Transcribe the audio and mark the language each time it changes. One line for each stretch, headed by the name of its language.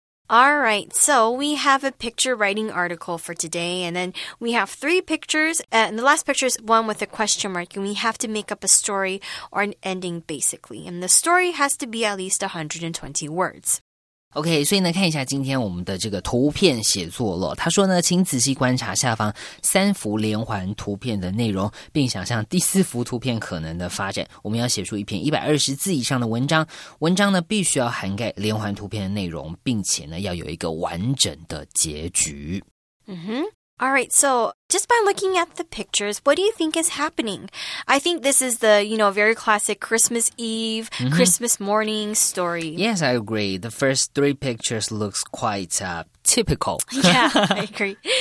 English: All right, so we have a picture writing article for today, and then we have three pictures, and the last picture is one with a question mark, and we have to make up a story or an ending, basically. And the story has to be at least 120 words.
Chinese: OK, 所以呢，看一下今天我们的这个图片写作了。他说呢，请仔细观察下方三幅连环图片的内容，并想象第四幅图片可能的发展。我们要写出一篇120字以上的文章，文章呢必须要涵盖连环图片的内容，并且呢要有一个完整的结局。
English: All right, so just by looking at the pictures, what do you think is happening? I think this is the, very classic Christmas Eve, Christmas morning story. Yes, I agree. The first three pictures looks quite typical. Yeah, I agree.